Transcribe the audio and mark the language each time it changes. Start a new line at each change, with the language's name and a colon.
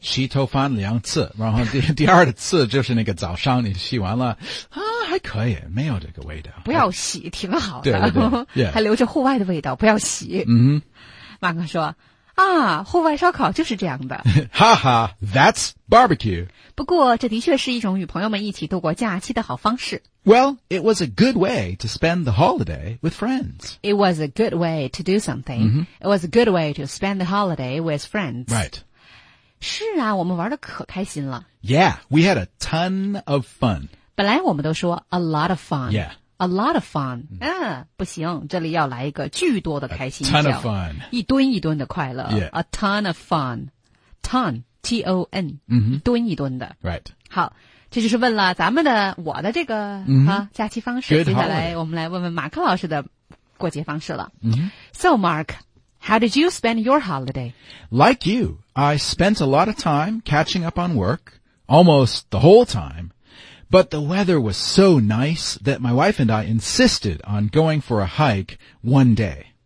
Chinese: 洗头发两次然后第二次就是那个早上你洗完了啊，还可以没有这个味道不要洗挺好的对对对、yeah. 还留着户外的味道不要洗嗯，马克说啊，户外烧烤就是这样的
English: 哈哈that's barbecue
Chinese: 不过这的确是一种与朋友们一起度过假期的好方式
English: Well, it was a good way to spend the holiday with friends. It was a good way to do something.、 Mm-hmm. It was a good way to spend the holiday with friends. Right.
Chinese: 是啊，我们玩得可开心了。
English: Yeah, we had a ton of fun.
Chinese: 本来我们都说
English: a lot of fun. Yeah. A lot of fun.
Chinese: 不行，这里要来一个巨多的开心。
English: A ton of fun.
Chinese: 一吨一吨的快乐。
English: Yeah. A ton of fun. ton, T-O-N,、 mm-hmm.
Chinese: 吨一吨的。
English: Right.
Chinese: 好，这就是问了咱们的我的这个、 mm-hmm. 啊、假期方式。
English: Good、
Chinese: 接下来我们来问问马克老师的过节方式了。 Mm-hmm.
English: So, Mark, how did you spend your holiday? Like you, I spent a lot of time catching up on work, almost the whole time. But the weather was so nice that my wife and I insisted on going for a hike one day.